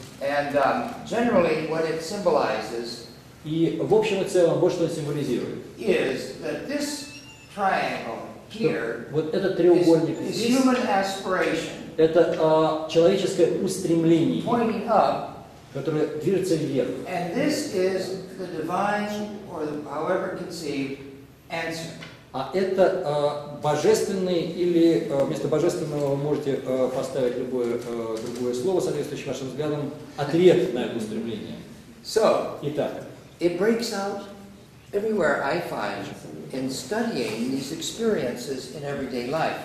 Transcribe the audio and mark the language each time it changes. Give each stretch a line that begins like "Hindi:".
English: And generally, what it symbolizes.
Russian: И в общем и целом, вот что он символизирует.
English: Is that this triangle here?
Russian: Вот этот треугольник.
English: Is human aspiration.
Russian: Это человеческое устремление, которое движется вверх.
English: And this is the divine, or the, however conceived, answer.
Russian: А это божественный или вместо божественного вы можете поставить любое другое слово, соответствующее вашим взглядам, ответ на это устремление.
English: So,
Russian: итак,
English: it breaks out everywhere I find in studying these experiences in everyday life.